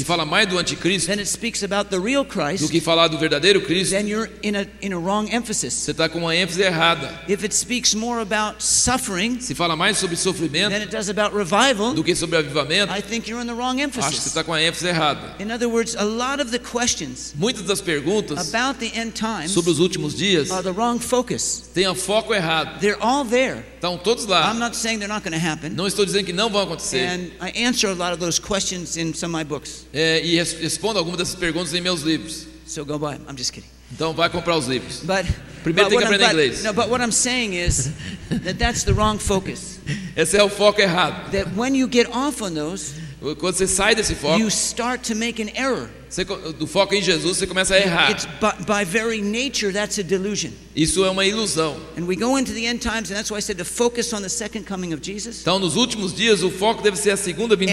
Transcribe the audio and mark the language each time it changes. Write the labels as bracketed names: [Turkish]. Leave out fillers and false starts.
[Portuguese] e fala mais do anticristo, [English] then it speaks about the real Christ, [Portuguese] do que falar do verdadeiro Cristo, [English] then you're in a wrong emphasis. [Portuguese] Você está com uma ênfase errada. [English] If it speaks more about suffering, [Portuguese] se fala mais sobre sofrimento, [English] then it does about revival, [Portuguese] do que sobre avivamento, [English] I think you're in the wrong emphasis. [Portuguese] Acho que você está com a ênfase errada. [English] In other words, a lot of the questions, [Portuguese] muitas das perguntas, [English] about the end times, [Portuguese] sobre os últimos dias, [English] are the wrong focus. [Portuguese] Tem um foco errado. [English] They're all there. [Portuguese] Estão todos lá. [English] I'm not saying they're not going to happen. [Portuguese] Não estou dizendo que não vão acontecer. [English] And I answer a lot of those questions in some of my books. [Portuguese] E respondo algumas dessas perguntas em meus livros. [English] So go buy them. I'm just kidding. [Portuguese] Então vai comprar os livros. [English] But [Portuguese] primeiro tem que aprender inglês. [English] No, but what I'm saying is that's the wrong focus. [Portuguese] Esse é o foco errado. [English] That when you get off on those, [Portuguese] quando você sai desse foco, [English] you start to make an error. [Portuguese] Do foco em Jesus, você começa a errar. [English] It's by very nature, that's a delusion. [Portuguese] Isso é uma ilusão. [English] And we go into the end times, and that's why I said to focus on the second coming of Jesus. [Portuguese] Então, nos últimos dias, o foco deve ser a segunda vinda